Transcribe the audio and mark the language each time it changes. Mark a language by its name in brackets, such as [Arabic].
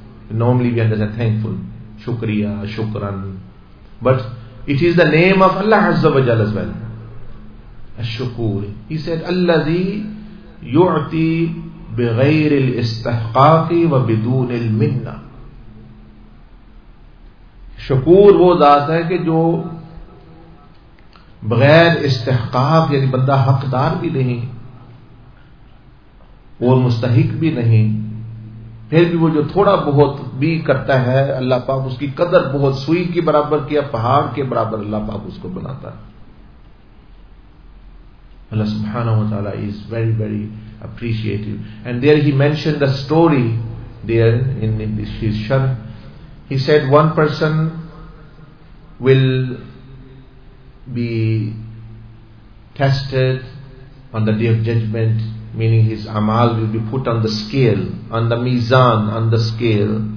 [English] Normally we understand thankful, shukriya, shukran. But it is the name of Allah Azza wa Jal as well. Ash-shukur. [Arabic] He said, alladhi yu'ti بغير الاستحقاق وبدون المنة. [Urdu] شکور وہ ذات ہے کہ جو بغیر استحقاق یعنی بندہ حقدار بھی نہیں اور مستحق بھی نہیں پھر بھی وہ جو تھوڑا بہت بھی کرتا ہے اللہ پاک اس کی قدر بہت سوئی کی برابر کیا پہاڑ کے برابر اللہ پاک اس کو بناتا ہے. [English] Allah subhanahu wa ta'ala is very, very appreciative. And there he mentioned a story there in his sharh. He said one person will be tested on the day of judgment, meaning his amal will be put on the scale, on the mizan, on the scale.